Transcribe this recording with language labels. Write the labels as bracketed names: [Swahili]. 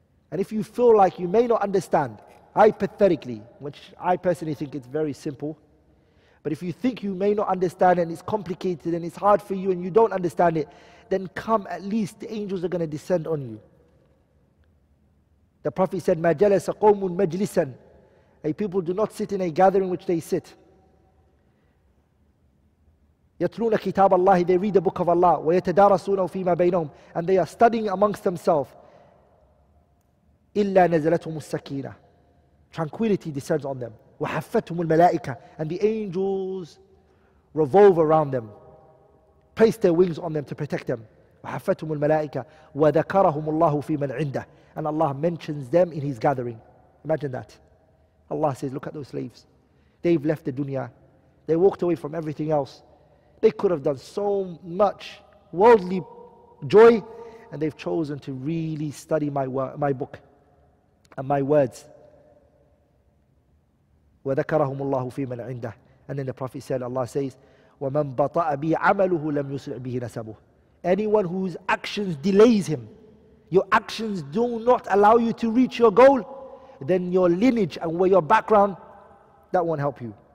[English] And if you feel like you may not understand, hypothetically, which I personally think it's very simple, but if you think you may not understand and it's complicated and it's hard for you and you don't understand it, then come, at least the angels are going to descend on you. The Prophet said, [Arabic] مَا جَلَسَ قَوْمٌ مَجْلِسًا. [English] A people do not sit in a gathering which they sit. [Arabic] يَتْلُونَ كِتَابَ اللَّهِ. [English] They read the book of Allah. [Arabic] وَيَتَدَارَسُونَ فِيمَا بَيْنَهُمْ. [English] And they are studying amongst themselves. [Arabic] إِلَّا نَزَلَتْهُمُ السَّكِينَةِ. [English] Tranquility descends on them. [Arabic] وَحَفَّتْهُمُ الْمَلَائِكَةِ. [English] And the angels revolve around them, place their wings on them to protect them. [Arabic] وَحَفَّتْهُمُ الْمَلَائِكَةِ. وَذَكَرَهُمُ اللَّهُ فِي مَنْ عِنْدَهِ. [English] And Allah mentions them in His gathering. Imagine that. Allah says, look at those slaves. They've left the dunya. They walked away from everything else. They could have done so much worldly joy, and they've chosen to really study my book and my words. [Arabic] وَذَكَرَهُمُ اللَّهُ فِي مَنْ عِنْدَهِ. [English] And then the Prophet said, Allah says, [Arabic] وَمَنْ بَطَأَ بِي عَمَلُهُ لَمْ يُسْرِعْ بِهِ نَسَبُهُ. [English] Anyone whose actions delays him, your actions do not allow you to reach your goal, then your lineage and where your background, that won't help you.